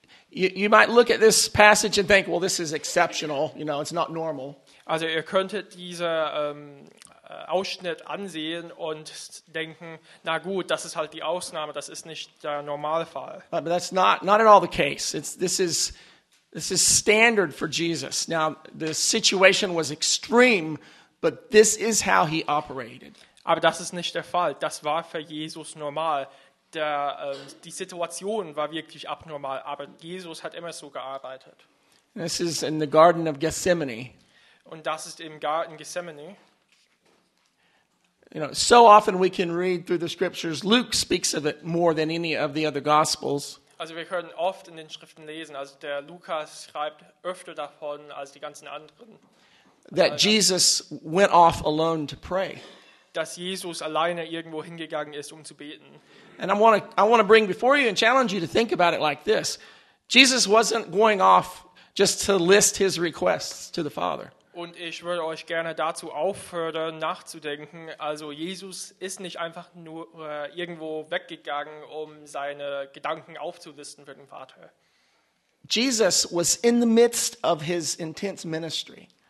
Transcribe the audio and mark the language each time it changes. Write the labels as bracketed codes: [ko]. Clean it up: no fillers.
[en] You might look at this passage and think, well, this is exceptional, you know, it's not normal. [de] Also ihr könntet dieser Ausschnitt ansehen und denken, na gut, das ist halt die Ausnahme, das ist nicht der Normalfall. [en] But that's not at all the case. This is standard for Jesus. Now, the situation was extreme, but this is how he operated. [de] Aber das ist nicht der Fall. Das war für Jesus normal. Die Situation war wirklich abnormal, aber Jesus hat immer so gearbeitet. [en] This is in the Garden of Gethsemane. [de] Und das ist im Garten Gethsemane. [en] You know, so often we can read through the scriptures. Luke speaks of it more than any of the other gospels. [de] Also, wir können oft in den Schriften lesen. Also, der Lukas schreibt öfter davon als die ganzen anderen. [en] That Jesus went off alone to pray. [de] Dass Jesus alleine irgendwo hingegangen ist, um zu beten. [en] And I want to bring before you and challenge you to think about it like this: Jesus wasn't going off just to list his requests to the Father. [de] Und ich würde euch gerne dazu auffordern, nachzudenken. Also Jesus ist nicht einfach nur irgendwo weggegangen, um seine Gedanken aufzulisten für den Vater. [en] Jesus was in the midst of his intense ministry.